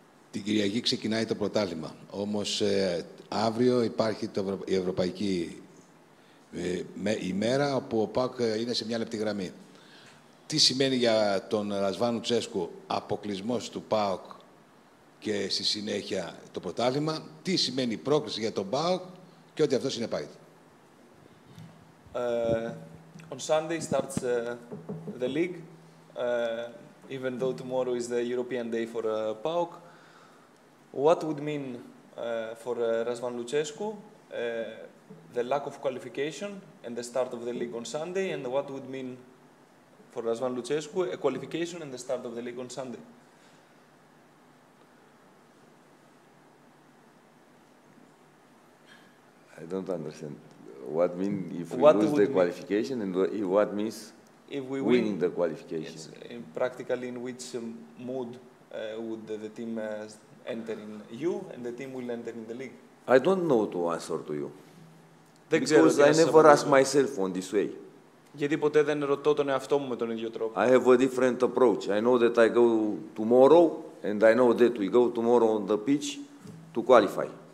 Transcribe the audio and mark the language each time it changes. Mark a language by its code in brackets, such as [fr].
[el] Την Κυριακή ξεκινάει το πρωτάθλημα. Όμως αύριο υπάρχει η ευρωπαϊκή ημέρα, όπου ο ΠΑΟΚ είναι σε μια λεπτή γραμμή. Τι σημαίνει για τον Ρασβάν Λουτσέσκου αποκλεισμός του ΠΑΟΚ και στη συνέχεια το πρωτάθλημα, τι σημαίνει η πρόκληση για τον ΠΑΟΚ και ότι αυτό είναι πάει. [en] On Sunday starts the league, even though tomorrow is the European day for ΠΑΟΚ. What would mean for Ρασβάν Λουτσέσκου the lack of qualification and the start of the league on Sunday, and what would mean for Ρασβάν Λουτσέσκου, a qualification and the start of the league on Sunday. I don't understand. What mean if we what lose the qualification mean? And what means if we winning the qualification? Yes. Practically, in which mood would the team enter in you and the team will enter in the league? I don't know to answer to you. Because I never ask myself on this way. [el] Γιατί ποτέ δεν ρωτώ τον εαυτό μου με τον ίδιο τρόπο. [en] I have a different approach. I know that I go tomorrow, and I know that we go tomorrow on the pitch to qualify.